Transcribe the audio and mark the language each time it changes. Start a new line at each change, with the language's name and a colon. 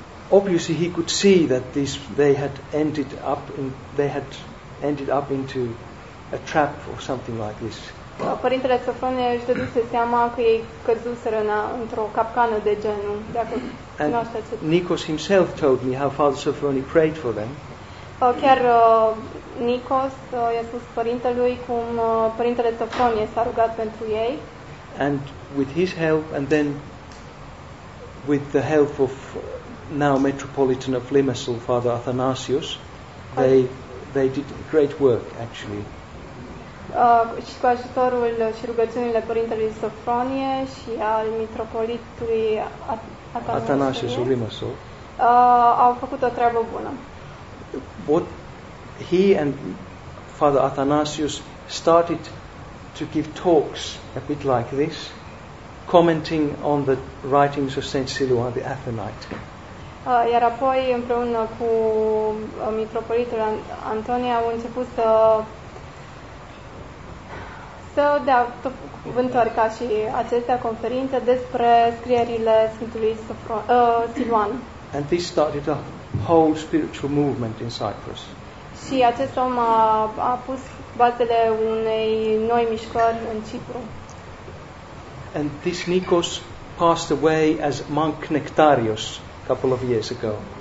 English: Obviously, he could see that this they had ended up into a trap or something like this.
Romanian: Părintele Sofronie își dăduse seama că ei căzuseră într-o capcană de genul. Dacă
English: and Nikos himself told me how Father Sofronie prayed for them.
Romanian: Chiar Nikos i-a spus părintelui cum părintele Sofronie s-a rugat pentru ei.
English: And with his help, and then with the help of now Metropolitan of Limassol, Father Athanasios, they did great work actually.
Romanian: Și cu ajutorul și rugăciunile părintelui Sofronie și al mitropolitului Athanasios of Limassol, au făcut o treabă bună.
English: What he and Father Athanasios started to give talks a bit like this, commenting on the writings of Saint Silouan the Athenite.
Romanian: Iar apoi împreună cu mitropolitul Antonie au început să dea cuvântări ca și acestea conferințe despre scrierile Sfântului Siluan.
English: And this started a whole spiritual movement in Cyprus.
Romanian: Și acest om a pus bazele unei noi mișcări în Cipru.
English: And this Nikos passed away as monk Nectarios couple of years ago.